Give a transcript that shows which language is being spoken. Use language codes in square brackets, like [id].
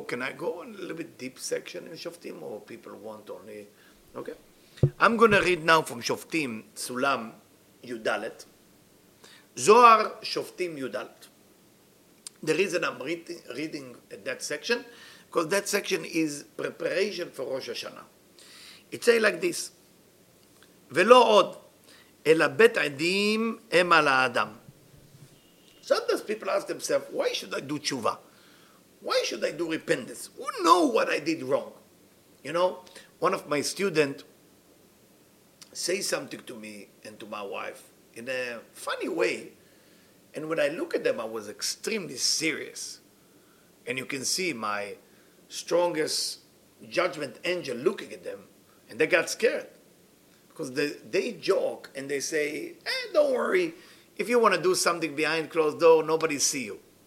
[en] Can I go in a little bit deep section in Shoftim? Or people want only. Okay. I'm going to read now from Shoftim, Sulam Yudalet. Zohar Shoftim Yudalet. The reason I'm reading that section, because that section is preparation for Rosh Hashanah. It says like this, [he] ולא עוד, אלא בית עדים הם על האדם. [en] Sometimes people ask themselves, why should I do tshuva? Why should I do repentance? Who know what I did wrong? You know, one of my students say something to me and to my wife in a funny way. And when I look at them, I was extremely serious. And you can see my strongest judgment angel looking at them, and they got scared because they joke and they say, hey, don't worry, if you want to do something behind closed door, nobody see you.